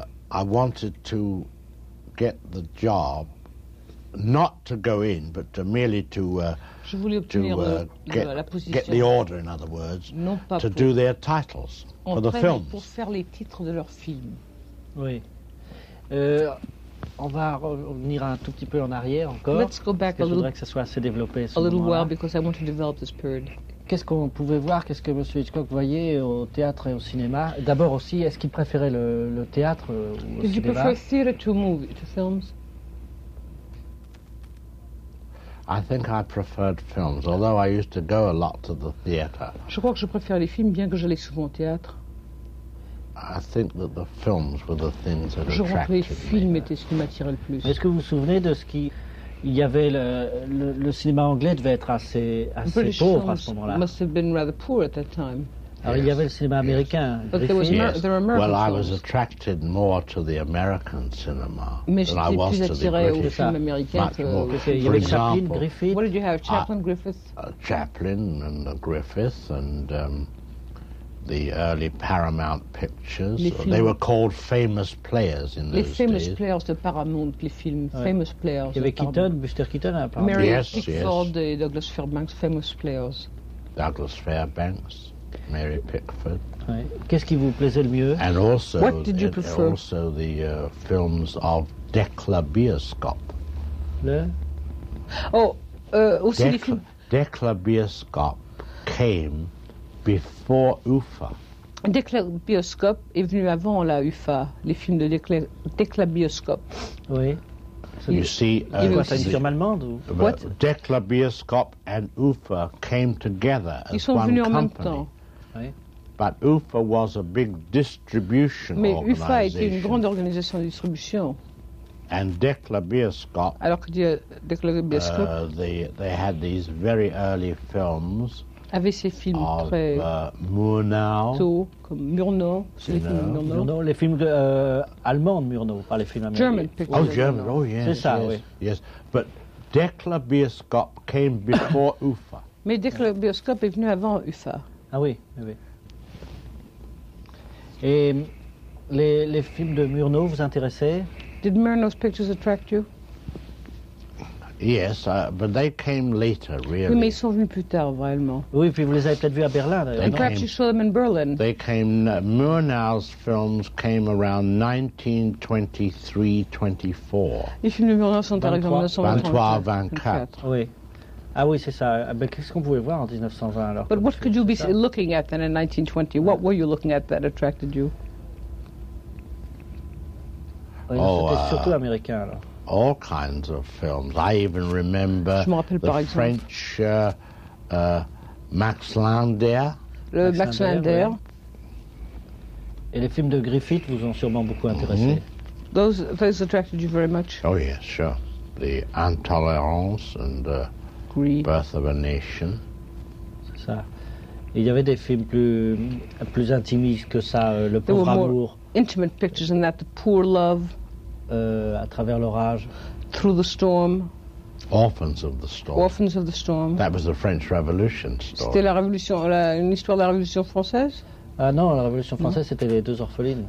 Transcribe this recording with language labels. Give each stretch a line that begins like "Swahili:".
English: I wanted to get the job, not to go in, but to merely to get the order, in other words,
French: non pas
English: to
French: pour
English: do their titles
French: en
English: for the films.
French: Pour faire les titres de leurs films. Oui. On va revenir un tout petit peu en arrière encore.
English: Let's go back a little.
French: Je voudrais que ça soit assez développé.
English: A little while, because I want to develop this period.
French: Qu'est-ce qu'on pouvait voir? Qu'est-ce que Monsieur Hitchcock voyait au théâtre et au cinéma? D'abord aussi, est-ce qu'il préférait le théâtre ou le cinéma?
English: Did you prefer theater to movies, to films? I think I preferred films, although I used to go a lot to the theater.
French: Je crois que je préfère les films, bien que j'allais souvent au théâtre.
English: I think that the films were the things that
French: je
English: attracted me.
French: Je crois que les films étaient ce qui m'attirait le plus. Est-ce que vous vous souvenez de ce qui il y avait le cinéma anglais devait être assez pauvre à ce moment-là.
English: Must have been rather poor at that time.
French: Alors,
English: yes.
French: Il y avait le cinéma américain.
English: Yes. But there was there were American films. I was attracted more to the American cinema than I was to the British. For example, Griffith. What did you have? Chaplin, Griffith. Chaplin and Griffith and the early Paramount pictures. They were called famous players in those days.
French: Les famous players de Paramount, les films famous players. Il y avait Keaton, Buster Keaton,
English: Mary Pickford, Douglas Fairbanks, famous players. Douglas Fairbanks. Mary Pickford.
French: Ouais. Qu'est-ce qui vous plaisait le mieux?
English: And also, what did you prefer? Also the films of Dekla Bioskop.
French: Le? Oh, aussi les films.
English: Dekla Bioskop came before UFA.
French: Dekla Bioskop est venu avant la UFA, les films de Dekla Bioskop. Oui.
English: You see, what? Dekla Bioskop and UFA came together as one company. But UFA was a big distribution organization.
French: Mais UFA était une grande organisation de distribution.
English: And Dekla Bioskop.
French: Alors que Dekla Bioskop.
English: They had these very early films.
French: Avait ces films
English: of,
French: très
English: Murnau.
French: Tôt, comme Murnau, Murnau, les films allemands de Murnau, pas les films américains.
English: Oh, German, oh yes.
French: C'est ça,
English: yes,
French: oui.
English: Yes. But Dekla Bioskop came before UFA.
French: Mais Dekla Bioskop est venu avant UFA. Ah oui, oui, oui. Et les films de Murnau vous intéressaient?
English: Did Murnau's pictures attract you? Yes, but they came later, really.
French: Oui, mais ils sont venus plus tard, vraiment. Oui, puis vous les avez peut-être vus à Berlin, d'ailleurs.
English: And perhaps you saw them in Berlin. They came, Murnau's films came around 1923-24.
French: Les films de Murnau sont arrivés en 1923-24. Oui. Ah oui, c'est ça. Mais qu'est-ce qu'on pouvait voir en 1920, alors?
English: But what could you be looking at then in 1920?
French: Ouais.
English: What were you looking at that attracted you?
French: Oh, c'était surtout américain, alors.
English: All kinds of films. I even remember the French Max Lander.
French: Le Max Lander. Ouais. Et les films de Griffith vous ont sûrement beaucoup intéressé. Mm-hmm.
English: Those attracted you very much. Oh yes, sure. The Intolérance and Birth of a Nation.
French: C'est ça. Il y avait des films plus intimistes que ça, Le Pauvre
English: There were more
French: Amour.
English: Intimate pictures than that, The Poor Love.
French: À travers l'orage.
English: Through the storm. Orphans of the storm. Orphans of the storm. That was the French Revolution story.
French: C'était la révolution, une histoire de la Révolution française. Ah non, la Révolution française, c'était les deux orphelines.